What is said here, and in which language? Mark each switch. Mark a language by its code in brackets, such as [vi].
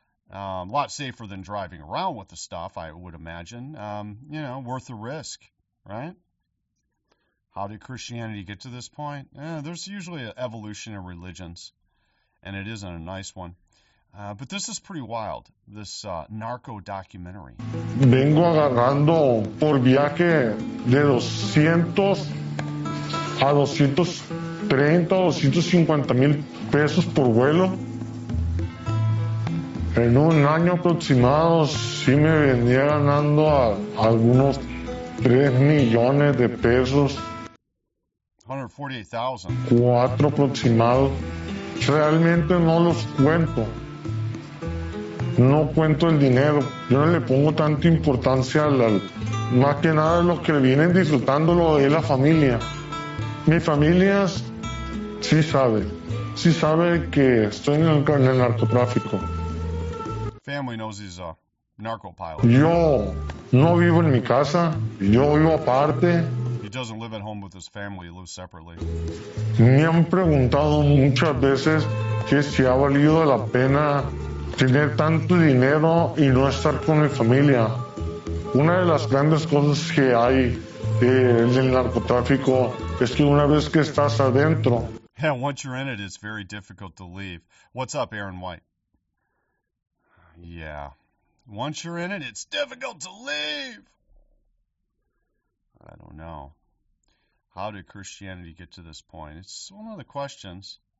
[en] A lot safer than driving around with the stuff, I would imagine. You know, worth the risk, right? How did Christianity get to this point? There's usually an evolution in religions. And it isn't a nice one. But this is pretty wild, this narco documentary. [es] Vengo agarrando por viaje de 200 a 230, 250 mil pesos por vuelo. En un año aproximado, sí me venía ganando a algunos 3 millones de pesos. 148,000. Cuatro aproximados. Realmente no los cuento. No cuento el dinero. Yo no le pongo tanta importancia a la. Más que nada, los que vienen disfrutándolo es la familia. Mi familia sí sabe. Sí sabe que estoy en el narcotráfico. [en] Family knows he's a narco pilot. [es] Yo no vivo en mi casa. Yo vivo aparte. [en] Doesn't live at home with his family, he lives separately. [es] Me han preguntado muchas veces que si ha valido la pena tener tanto dinero y no estar con mi familia. Una de las grandes cosas que hay en el narcotráfico es que una vez que estás adentro. [en] Yeah, once you're in it, it's very difficult to leave. What's up, Aaron White? Yeah. Once you're in it, it's difficult to leave. I don't know. How did Christianity get to this point? It's one of the questions.